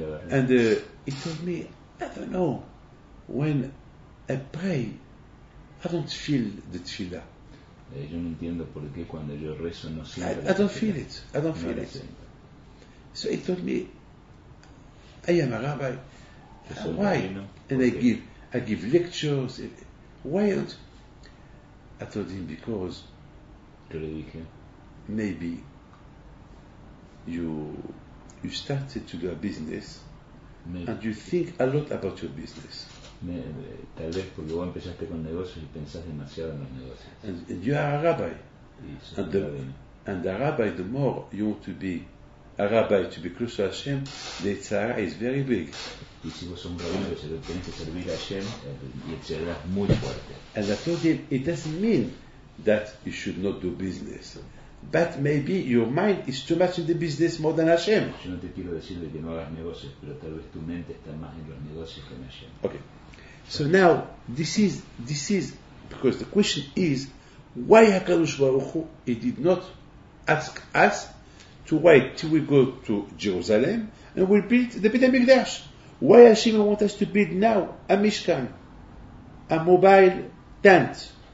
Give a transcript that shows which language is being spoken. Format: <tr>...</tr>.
<en>And he told me, I don't know, when I pray, I don't feel the tefillah.</en> <es>Yo no entiendo por qué cuando yo rezo no siento.</es> <en>I don't feel it. So he told me, I am a rabbi. Why? And okay. I give lectures. Why don't? I told him because.</en> <es>¿Qué le dije?</es> <en>Maybe. You started to do a business. Maybe. And you think a lot about your business.</en> <es>Tal vez porque vos empezaste con negocios y pensás demasiado en los negocios.</es> <en>And you are a rabbi. And a rabbi, the more you want to be a rabbi, to be close to Hashem, the tzara is very big.</en> <es>Y si vos sos un rabino, que tenés que servir a Hashem, y el tzara es muy fuerte.</es> <en>And I told him, it doesn't mean that you should not do business. But maybe your mind is too much in the business more than Hashem.</en> <es>Yo no te quiero decir de que no hagas negocios, pero tal vez tu mente está más en los negocios que en Hashem.</es> <en>Okay. So now, this is because the question is, why HaKadosh Baruch Hu, he did not ask us to wait till we go to Jerusalem and we'll build the Beit HaMikdash? Why Hashem want us to build now a Mishkan, a mobile tent?</en>